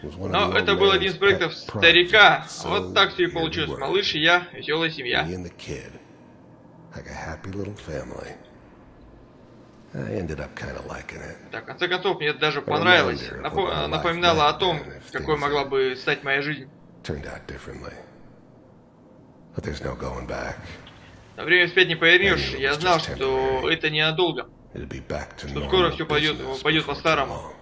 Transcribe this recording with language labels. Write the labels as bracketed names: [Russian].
[Russian] Но это был один из проектов старика. Вот так все и получилось. Малыш и я, веселая семья. [English] Me and the kid. Like a happy little family. I ended up kind of liking it. [Russian] Так, в конце концов, мне это даже понравилось. Напоминало о том, какой могла бы стать моя жизнь. Но время вспять не повернешь. Я знал, что это ненадолго. Что скоро все пойдет по-старому.